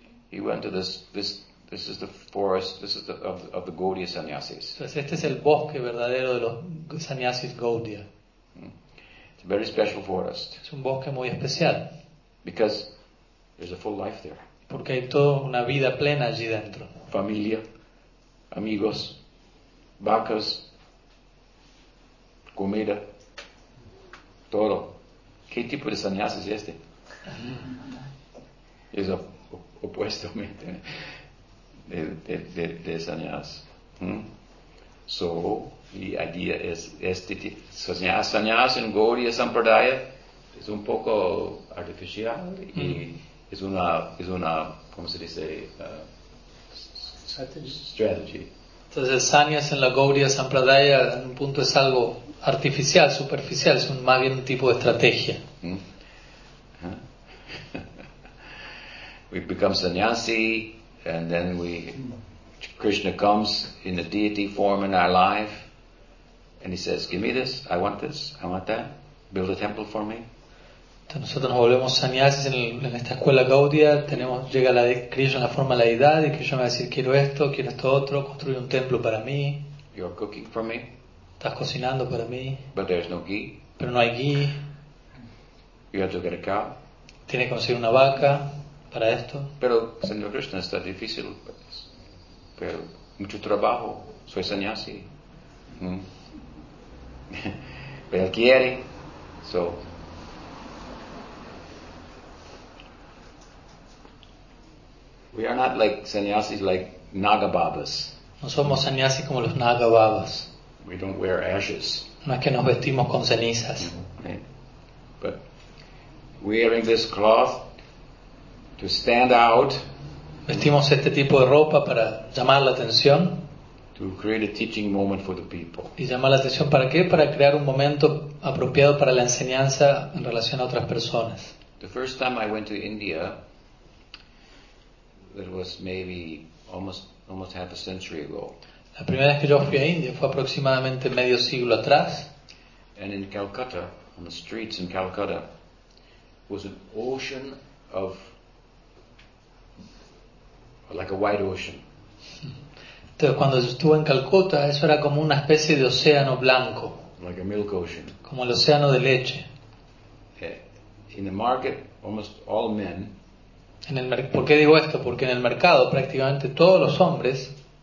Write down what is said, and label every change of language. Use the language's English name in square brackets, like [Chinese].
[English] He went to this is the forest, this is the of the Gaudiya sannyasis. [Spanish] Entonces este es el bosque verdadero de los sannyasis Gaudiya. [English] It's a very special forest. [Spanish] Es un bosque muy especial. [English] Because there's a full life there. [Spanish] Porque hay toda una vida plena allí dentro. Familia, amigos, vacas, comida, todo. ¿Qué tipo de sannyasis es este? Es opuestamente de sannyas. [English] So the idea is [Spanish] este sannyas en Gaudiya Sampradaya es un poco artificial y es una, ¿cómo se dice? [English] Strategy. [Spanish] Entonces, sannyas en la Gaudiya Sampradaya en un punto es algo artificial, superficial, es un, más bien un tipo de estrategia. [English] We become sannyasi, and then we, Krishna comes in a deity form in our life, and he says, give me this, I want that, build a temple for me. [Spanish] Nosotros nos volvemos sannyasis en esta escuela Gaudiya, tenemos, llega la de Krishna en la forma de la deidad, y Krishna va a decir, quiero esto otro, construye un templo para mí. [English] You're cooking for me. [Spanish] Estás cocinando para mí. [English] But there's no ghee. [Spanish] Pero no hay ghee. [English] You have to get a cow. [Spanish] Tiene que conseguir una vaca para esto. Pero, Señor Krishna, está difícil. Pero, mucho trabajo. Soy sannyasi. Pero él quiere. [English] So... We are not like sannyasis, like Nagababas. [Spanish] No somos sannyasis como los Nagababas. [English] We don't wear ashes. [Spanish] No es que nos vestimos con cenizas. [English] But wearing this cloth to stand out. [Spanish] Vestimos este tipo de ropa para llamar la atención. [English] To create a teaching moment for the people. [Spanish] Y llamar la atención para qué? Para crear un momento apropiado para la enseñanza en relación a otras personas. [English] The first time I went to India. It was maybe almost half a century ago. [Spanish] La primera vez que yo fui a India fue aproximadamente medio siglo atrás. [English] And in Calcutta, on the streets in Calcutta, was an ocean of, like a white ocean. [Spanish] Entonces cuando yo estuve en Calcuta, eso era como una especie de océano blanco. [English] Like a milk ocean. [Spanish] Como el océano de leche. [English] In the market, almost all men. [Spanish] ¿Por qué digo esto? Porque en el mercado prácticamente todos los hombres